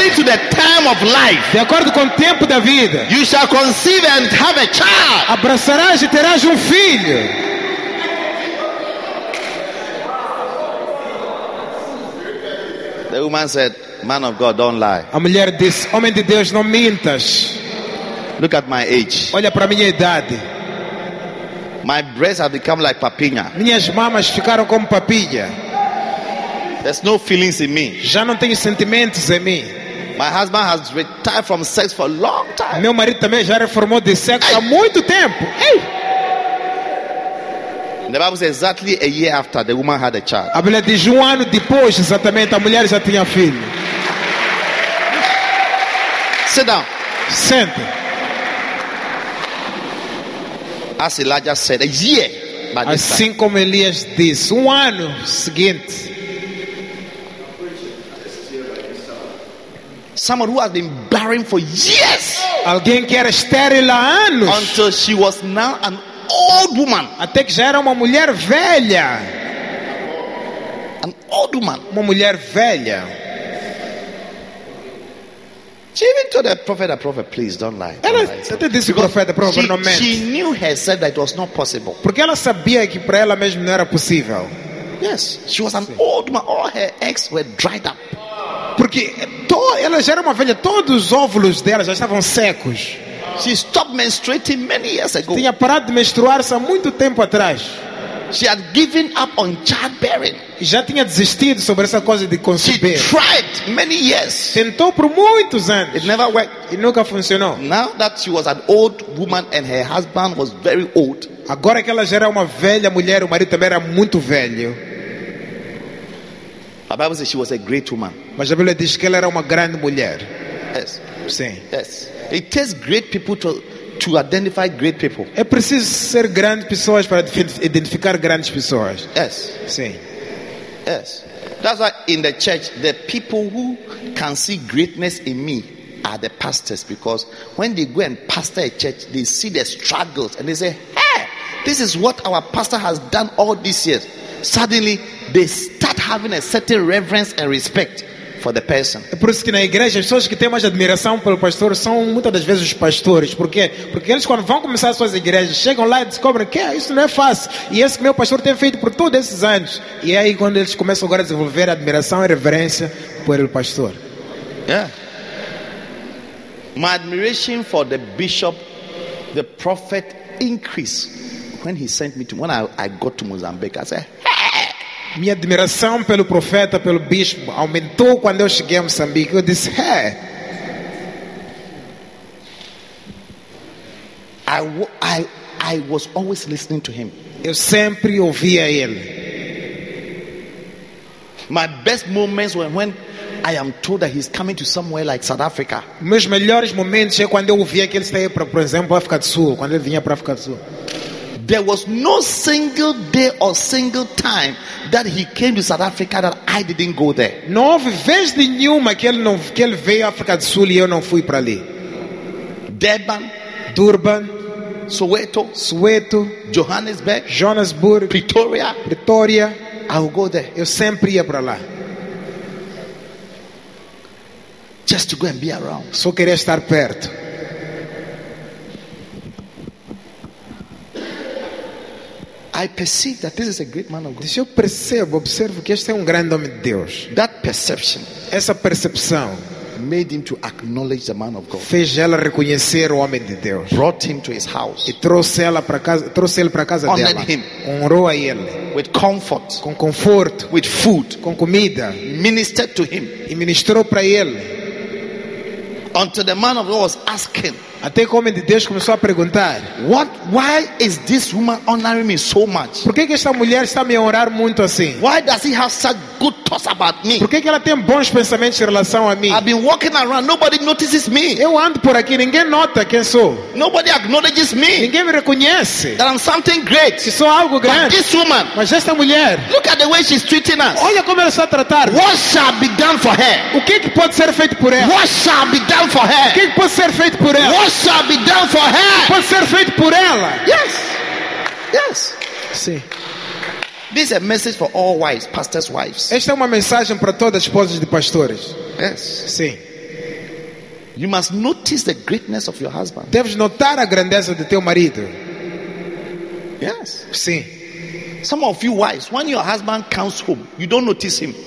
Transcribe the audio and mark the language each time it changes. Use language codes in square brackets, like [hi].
[en] According to the time of life. [pt] De acordo com o tempo da vida. [en] You shall conceive and have a child. [pt] Abraçarás e terás filho. [en] The woman said, man of God, don't lie. [pt] A mulher disse, homem de Deus, não mintas. [en] Look at my age. [pt] Olha para minha idade. [en] My breasts have become like papinha. [pt] Minhas mamas ficaram como papinha. [en] There's no feelings in me. [pt] Já não tenho sentimentos em mim. [en] My husband has retired from sex for a long time. [pt] Meu marido também já reformou de sexo há muito tempo. [en] Hey. The Bible says exactly a year after the woman had a child. [pt] A Bíblia diz um ano depois exatamente a mulher já tinha filho. [en] Sit down. [pt] Sente. [en] As Elijah said, a year. By this [pt] assim [en] time. [pt] Como Elias disse, um ano seguinte. [en] Someone who has been barren for years. [pt] Alguém que era estéril há anos. [en] Until she was now an old woman. [pt] Até que já era uma mulher velha. [en] An old woman. [pt] Uma mulher velha. [en] She even told the prophet, please don't lie. [pt] Ela até disse ao profeta, profeta, não mente. [en] She knew herself that it was not possible. [pt] Porque ela sabia que para ela mesmo não era possível. [en] Yes, she was an old woman. All her eggs were dried up. [pt] Porque ela já era uma velha, todos os óvulos dela já estavam secos. [en] She stopped menstruating many years ago. [pt] Tinha parado de menstruar-se há muito tempo atrás. [en] She had given up on childbearing. [pt] Já tinha desistido sobre essa coisa de conceber. [en] She tried many years. [pt] Tentou por muitos anos. [en] It never worked. [pt] E nunca funcionou. [en] Now that she was an old woman and her husband was very old. [pt] Agora que ela já era uma velha mulher, o marido também era muito velho. [en] A Bible says she was a great woman. [pt] Mas a Bíblia diz que ela era uma grande mulher. [en] Yes. [pt] Sim. [en] Yes. It takes great people to identify great people. [pt] É preciso ser grandes pessoas para identificar grandes pessoas. [en] Yes. [pt] Sim. [en] Yes. That's why in the church the people who can see greatness in me are the pastors, because when they go and pastor a church they see the struggles and they say, "Hey, this is what our pastor has done all these years." Suddenly they start having a certain reverence and respect for the person. [pt] É por isso que na igreja as pessoas que têm mais admiração pelo pastor são muitas das vezes os pastores. Por quê? Porque eles quando vão começar as suas igrejas chegam lá e descobrem que isso não é fácil e esse que meu pastor tem feito por todos esses anos. E é aí quando eles começam agora a desenvolver admiração e reverência por ele, pastor. [en] Yeah. My admiration for the bishop, the prophet, increased when he sent me to, when I got to Mozambique. I said, [pt] minha admiração pelo profeta, pelo bispo, aumentou quando eu cheguei a Moçambique. Eu disse, hey. [en] I was always listening to him. [pt] Eu sempre ouvia ele. [en] My best moments were when I am told that he's coming to somewhere like South Africa. [pt] Meus melhores momentos é quando eu ouvia que ele estava, por exemplo, África do Sul, quando ele vinha para África do Sul. [en] There was no single day or single time that he came to South Africa that I didn't go there. [pt] Não houve vez nenhuma que ele veio à África do Sul e eu não fui para ali. [en] Durban, Soweto, Johannesburg, Pretoria, I would go there. [pt] Eu sempre ia para lá. [en] Just to go and be around. [pt] Só queria estar perto. [en] I perceive that this is a great man of God. [pt] Eu percebo, observo que este é um grande homem de Deus. [en] That perception, [pt] essa percepção, [en] made him to acknowledge the man of God. [pt] Fez ela reconhecer o homem de Deus. [en] Brought him to his house. [pt] E trouxe ela para casa, [en] Honored [pt] dela. [en] Him. [pt] Honrou a ele. [en] With comfort. [pt] Com conforto. [en] With food. [pt] Com comida. [en] Ministered to him. [pt] E ministrou para ele. [en] Until the man of God was asking. [pt] Até o homem de Deus começou a perguntar, [en] what, why is this woman honoring me so much? [pt] Por que esta mulher está me honrar muito assim? [en] Why does he have such good thoughts about me? [pt] Por que ela tem bons pensamentos em relação a mim? [en] I've been walking around, nobody notices me. [pt] Eu ando por aqui, ninguém nota quem sou. [en] Nobody acknowledges me. [pt] Ninguém me reconhece. [en] That I'm something great. [pt] Que sou algo grande. [en] But this woman, [pt] mas esta mulher, [en] look at the way she's treating us. [pt] Olha como ela está a tratar. [en] What shall be done for her? [pt] O que pode ser feito por ela? [en] What shall be done for her? [pt] O que pode ser feito por ela? [en] What shall be done for her? [pt] Pode ser feito por ela. [en] Yes. Yes. [pt] Sim. [en] This is a message for all wives, pastors' wives. [pt] Esta é uma mensagem para todas as esposas de pastores. [en] Yes. [pt] Sim. [en] You must notice the greatness of your husband. [pt] Deves notar a grandeza de teu marido. [en] Yes. [pt] Sim. [en] Some of you wives, when your husband comes home, you don't notice him.